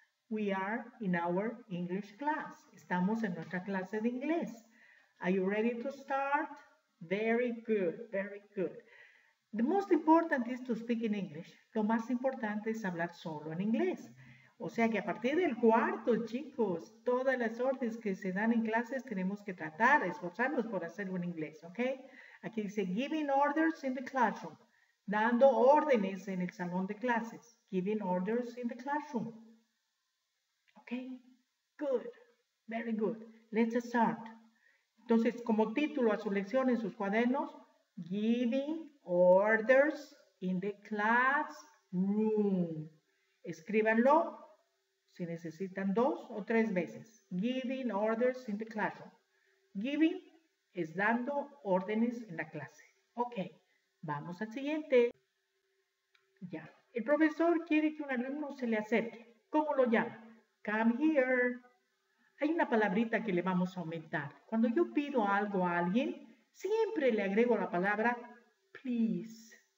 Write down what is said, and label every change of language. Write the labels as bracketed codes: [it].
[en] We are in our English class. [es] Estamos en nuestra clase de inglés. [en] Are you ready to start? Very good, very good. The most important is to speak in English. [es] Lo más importante es hablar solo en inglés. O sea que a partir del cuarto, chicos, todas las órdenes que se dan en clases tenemos que tratar, esforzarnos por hacerlo en inglés, ¿ok? Aquí dice, [en] giving orders in the classroom. [es] Dando órdenes en el salón de clases. [en] Giving orders in the classroom. ¿Ok? Good. Very good. Let's start. [es] Entonces, como título a su lección en sus cuadernos, [en] giving orders in the classroom. [es] Escríbanlo si necesitan dos o tres veces. [en] Giving orders in the classroom. [es] Giving es dando órdenes en la clase. Ok, vamos al siguiente. Ya, el profesor quiere que un alumno se le acerque. ¿Cómo lo llama? [en] Come here. [es] Hay una palabrita que le vamos a aumentar. Cuando yo pido algo a alguien, siempre le agrego la palabra please.